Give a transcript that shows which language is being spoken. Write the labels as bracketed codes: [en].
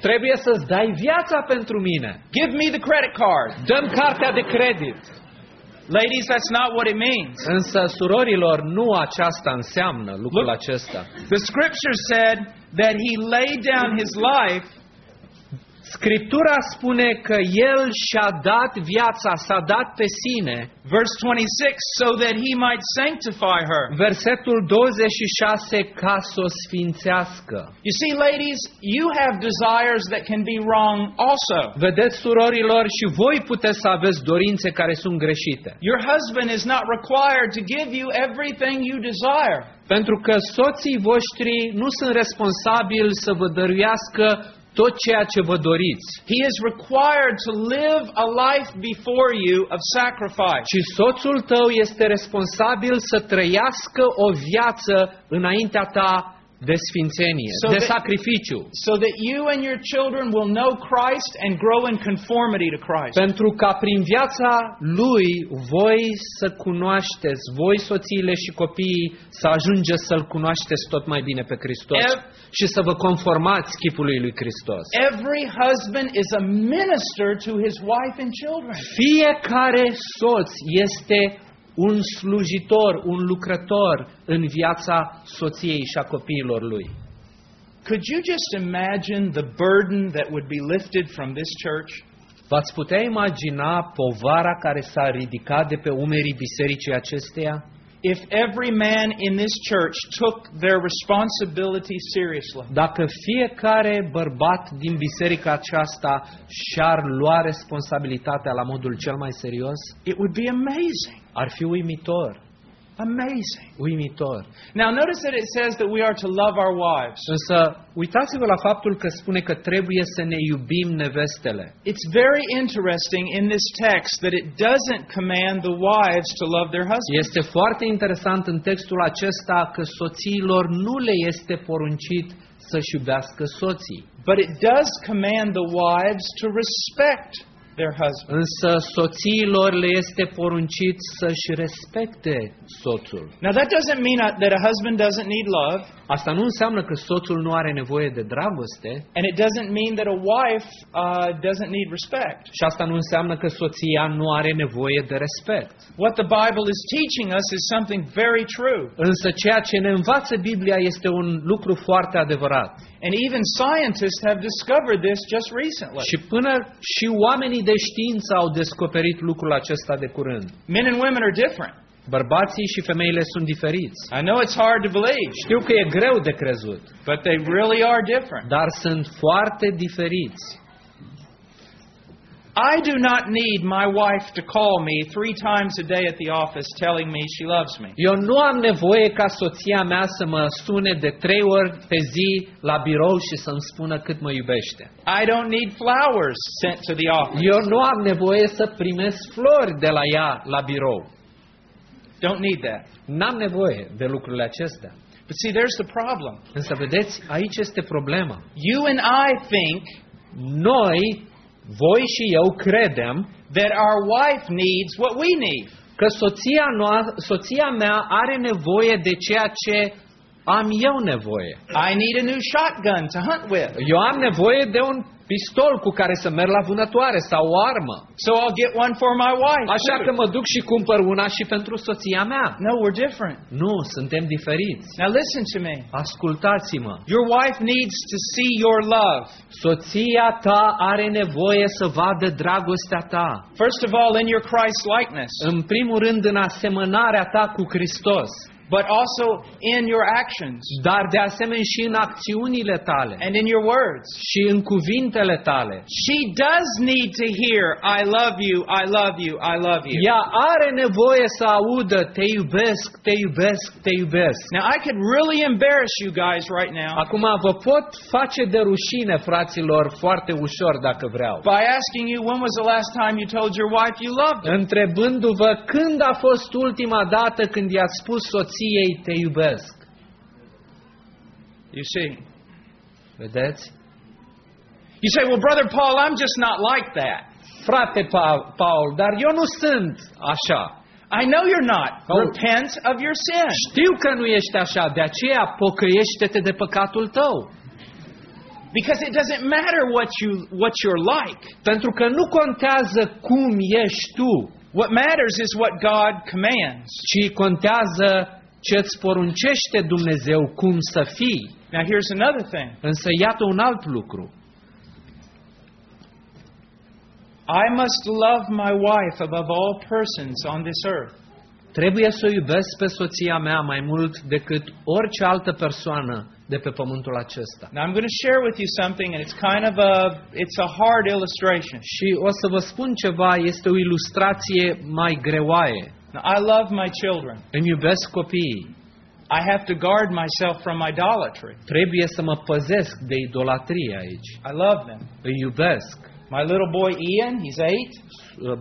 [ro] Trebuie să -ți dai viața pentru mine. [en] Give me the credit card. [ro] Dă-mi cartea de credit. [en] Ladies, that's not what it means. [ro] Însă surorilor, nu aceasta înseamnă lucrul [en] Look, [ro] acesta. [en] The scripture said that he laid down his life. [ro] Scriptura spune că el și-a dat viața, s-a dat pe sine. [en] Verse 26, so that he might sanctify her. [ro] Versetul 26, ca să o sfințească. [en] You see, ladies, you have desires that can be wrong also. [ro] Vedeți, surorilor, și voi puteți să aveți dorințe care sunt greșite. [en] Your husband is not required to give you everything you desire. [ro] Pentru că soții voștri nu sunt responsabili să vă dăruiască tot ceea ce vă doriți. [en] He is required to live a life before you of sacrifice. [ro] Și soțul tău este responsabil să trăiască o viață înaintea ta de sfințenie, so de sacrificiu. [en] So that you and your children will know Christ and grow in conformity to Christ. [ro] Pentru ca prin viața lui voi să cunoașteți, voi soțiile și copiii să ajungeți să-l cunoașteți tot mai bine pe Hristos. Și să vă conformați chipului lui Hristos. [en] Every husband is a minister to his wife and children. [ro] Fiecare soț este un slujitor, un lucrător în viața soției și a copiilor lui. [en] Could you just imagine the burden that would be lifted from this church? [ro] V-ați putea imagina povara care s-a ridicat de pe umerii bisericii acesteia? [en] If every man in this church took their responsibility seriously. [ro] Dacă fiecare bărbat din biserica aceasta și-ar lua responsabilitatea la modul cel mai serios, [en] it would be amazing. [ro] Ar fi uimitor. [en] Amazing. [ro] Uimitor. [en] Now notice that it says that we are to love our wives. [ro] Însă uitați-vă la faptul că spune că trebuie să ne iubim nevestele. [en] It's very interesting in this text that it doesn't command the wives to love their husbands. [ro] Este foarte interesant în textul acesta că soțiilor nu le este poruncit să -și iubească soții. [en] But it does command the wives to respect their husband. [ro] Însă soțiilor le este poruncit să-și respecte soțul. [en] Now that doesn't mean that a husband doesn't need love. [ro] Asta nu înseamnă că soțul nu are nevoie de dragoste. [en] And it doesn't mean that a wife doesn't need respect. [ro] Și asta nu înseamnă că soția nu are nevoie de respect. [en] What the Bible is teaching us is something very true. [ro] Însă ceea ce ne învață Biblia este un lucru foarte adevărat. [en] And even scientists have discovered this just recently. [ro] Și până și oamenii de știință au descoperit lucrul acesta de curând. [en] Men and women are different. [ro] Bărbații și femeile sunt diferiți. [en] I know it's hard to believe. [ro] Știu că e greu de crezut. [en] But they really are different. [ro] Dar sunt foarte diferiți. [en] I do not need my wife to call me 3 times a day at the office telling me she loves me. [ro] Eu nu am nevoie ca soția mea să mă sune de 3 ori pe zi la birou și să-mi spună cât mă iubește. [en] I don't need flowers sent to the office. [ro] Eu nu am nevoie să primesc flori de la ea la birou. [en] Don't need that. [ro] N-am nevoie de lucrurile acestea. [en] But see, there's the problem. [ro] Însă vedeți, aici este problema. [en] You and I think [ro] noi, voi și eu credem [en] that our wife needs what we need. [ro] Că soția mea are nevoie de ceea ce am eu nevoie. [en] I need a new shotgun to hunt with. [ro] Eu am nevoie de un pistol cu care să merg la vânătoare sau o armă. [en] So I'll get one for my wife. [ro] Așa că mă duc și cumpăr una și pentru soția mea. [en] No, we're different. [ro] Nu, suntem diferiți. [en] Now listen to me. [ro] Ascultați-mă. [en] Your wife needs to see your love. [ro] Soția ta are nevoie să vadă dragostea ta. [en] First of all, in your Christ likeness. [ro] În primul rând, în asemănarea ta cu Hristos. [en] But also in your actions. [ro] Dar de asemenea și în acțiunile tale. [en] And in your words. [ro] Și în cuvintele tale. [en] She does need to hear I love you, I love you, I love you. [ro] Ea are nevoie să audă te iubesc, te iubesc, te iubesc. [en] Now I could really embarrass you guys right now. [ro] Acum vă pot face de rușine, fraților, foarte ușor dacă vreau. [en] By asking you when was the last time you told your wife you loved her? [ro] Întrebându-vă când a fost ultima dată când i-ați spus soției te iubesc. [en] You see? [ro] Vedeți? [en] You say, well, brother Paul, I'm just not like that. [ro] Frate Paul, dar eu nu sunt așa. [en] I know you're not. Oh. Repent of your sin. [ro] Știu că nu ești așa, de aceea pocăiește-te de păcatul tău. [en] Because it doesn't matter what you're like. [ro] Pentru că nu contează cum ești tu. [en] What matters is what God commands. [ro] Ce contează ce îți poruncește Dumnezeu cum să fii. [en] Now here's another thing. [ro] Însă iată un alt lucru. [en] I must love my wife above all persons on this earth. [ro] Trebuie să o iubesc pe soția mea mai mult decât orice altă persoană de pe pământul acesta. [en] Now I'm going to share with you something and it's a hard illustration. [ro] Și o să vă spun ceva, este o ilustrație mai greoaie. [en] Now, I love my children. [ro] Îmi iubesc copiii. [en] I have to guard myself from idolatry. [ro] Trebuie să mă păzesc de idolatrie aici. [en] I love them. [ro] Îi iubesc. [en] My little boy Ian, he's 8.